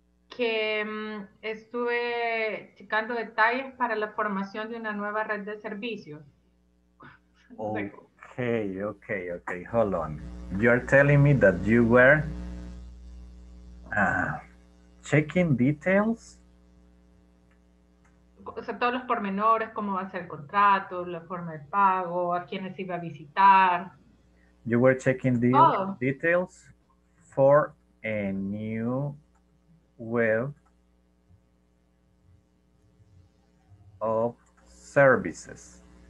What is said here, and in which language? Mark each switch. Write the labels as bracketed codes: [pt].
[es] Que estuve checando detalles para la formación de una nueva red de servicios. [en] Okay, okay, okay. Hold on. You're telling me that you were checking details? [es] O sea, todos los pormenores, cómo va a ser el contrato, la forma de pago, a quiénes iba a visitar. [en] You were checking the details for a new web of services.